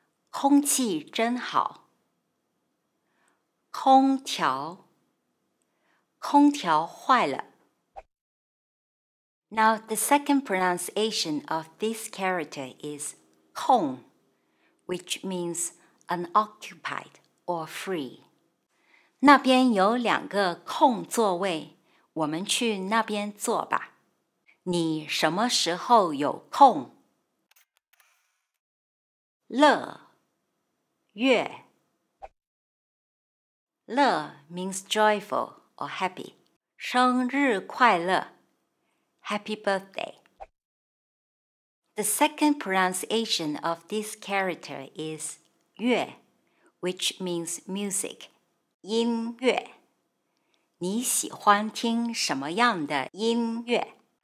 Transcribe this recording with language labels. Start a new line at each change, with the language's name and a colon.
Chinese: 空气真好.空调, 空调坏了.
English: Now, the second pronunciation of this character is 空, which means unoccupied or free.
Chinese: 那边有两个空座位, 我们去那边坐吧. 你什么时候有空? 乐, 乐.
English: 乐 means joyful or happy.
Chinese: 生日快乐,
English: happy birthday. The second pronunciation of this character is 乐, which means music, 音乐.
Chinese: 你喜欢听什么样的音乐?